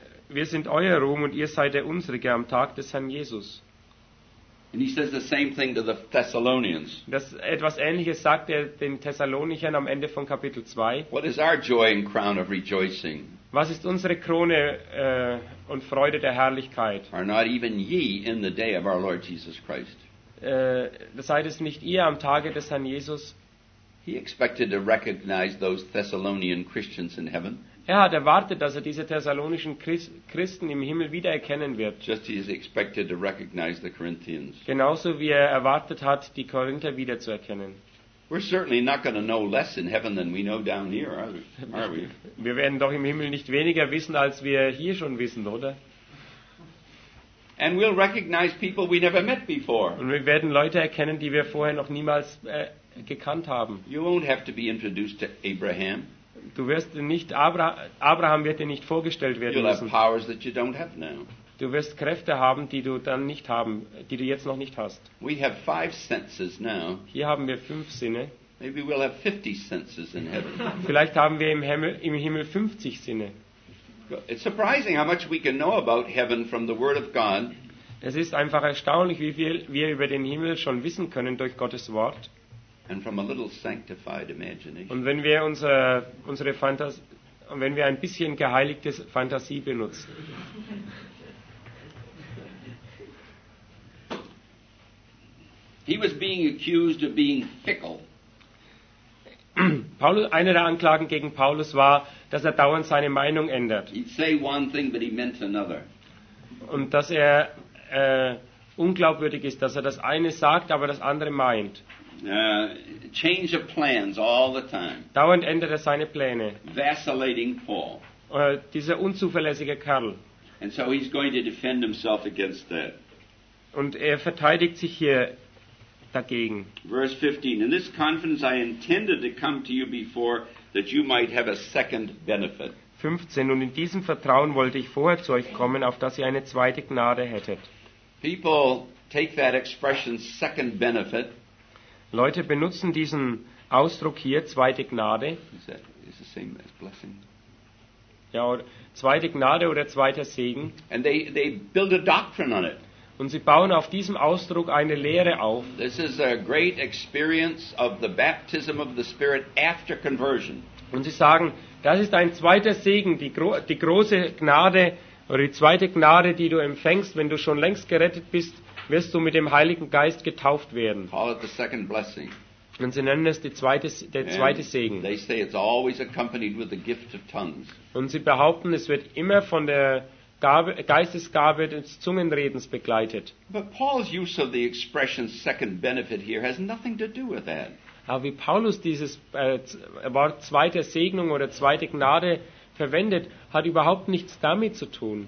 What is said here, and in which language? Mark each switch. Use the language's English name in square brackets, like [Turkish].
[German] Wir sind euer Ruhm und ihr seid der unsrige am Tag des Herrn Jesus. [English] And he says the same thing to the Thessalonians. [German] Das etwas Ähnliches sagt er den Thessalonichern am Ende von Kapitel 2. [English] What is our joy and crown of rejoicing? [German] Was ist unsere Krone und Freude der Herrlichkeit? [English] Are not even ye in the day of our Lord Jesus Christ? [German] Seid es nicht ihr am Tage des Herrn Jesus? [English] He expected to recognize those Thessalonian Christians in heaven. [German] Er hat erwartet, dass er diese thessalonischen Christen im Himmel wiedererkennen wird. [English] Just as he expected to recognize the Corinthians. [German] Genauso wie er erwartet hat, die Korinther wiederzuerkennen. [English] We're certainly not going to know less in heaven than we know down here, are we? [German] Wir werden doch im Himmel nicht weniger wissen, als wir hier schon wissen, oder? [English] And we'll recognize people we never met before. [German] Und wir werden Leute erkennen, die wir vorher noch niemals gekannt haben. [English] You won't have to be introduced to Abraham. [German] Du wirst nicht Abraham wird dir nicht vorgestellt werden [English] You'll [German] müssen. [English] You'll have powers that you don't have now. [German] Du wirst Kräfte haben, die du dann nicht haben, die du jetzt noch nicht hast. [English] We have 5 senses now. [German] Hier haben wir 5 Sinne. [English] Maybe we'll have 50 senses in heaven. [German] Vielleicht haben wir im Himmel 50 Sinne. [English] It's surprising how much we can know about heaven from the Word of God. [German] Es ist einfach erstaunlich, wie viel wir über den Himmel schon wissen können durch Gottes Wort. [English] And from a little sanctified imagination. [German] Und wenn wir unsere Fantasie, wenn wir ein bisschen geheiligte Fantasie benutzen. [English] He was being accused of being fickle. [German] Paulus, eine der Anklagen gegen Paulus war, dass er dauernd seine Meinung ändert. [English] He'd say one thing, but he meant another. [German] Und dass er unglaubwürdig ist, dass er das eine sagt, aber das andere meint. [English] Change of plans all the time. [German] Dauernd ändert er seine Pläne. [English] Vacillating Paul. [German] Dieser unzuverlässige Kerl. [English] And so he's going to defend himself against that. [German] Und er verteidigt sich hier dagegen. [English] Verse 15. In this conference I intended to come to you before that you might have a second benefit. [German] 15. Und in diesem Vertrauen wollte ich vorher zu euch kommen, auf dass ihr eine zweite Gnade hättet. [English] People take that expression second benefit. [German] Leute benutzen diesen Ausdruck hier, zweite Gnade. [English] Is the same as blessing. [German] Ja, zweite Gnade oder zweiter Segen. [English] And they build a doctrine on it. [German] Und sie bauen auf diesem Ausdruck eine Lehre auf. [English] This is a great experience of the baptism of the Spirit after conversion. [German] Und sie sagen, das ist ein zweiter Segen, die große Gnade oder die zweite Gnade, die du empfängst, wenn du schon längst gerettet bist, wirst du mit dem Heiligen Geist getauft werden. [English] Call it the second blessing. [German] Und sie nennen es der zweite Segen. [English] They say it's always accompanied with the gift of tongues. [German] Und sie behaupten, es wird immer von der Geistesgabe des Zungenredens begleitet. [English] But Paul's use of the expression second benefit here has nothing to do with that. [German] Aber wie Paulus dieses Wort zweite Segnung oder zweite Gnade verwendet, hat überhaupt nichts damit zu tun.